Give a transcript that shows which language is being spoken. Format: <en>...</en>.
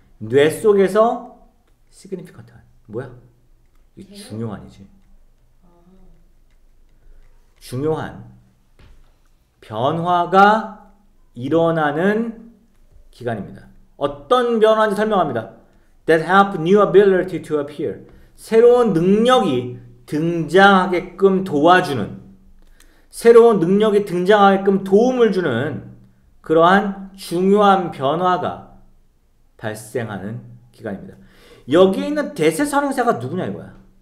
<ko>뇌 속에서 significant 뭐야? 이게 중요한이지. 중요한 변화가 일어나는 기간입니다. 어떤 변화인지 설명합니다.</ko> <en>That have new ability to appear.</en> <ko>새로운 능력이 등장하게끔 도와주는, 새로운 능력이 등장하게끔 도움을 주는 그러한 중요한 변화가 발생하는 기간입니다. 여기에 있는 대세 선행사가 누구냐 이거야.</ko>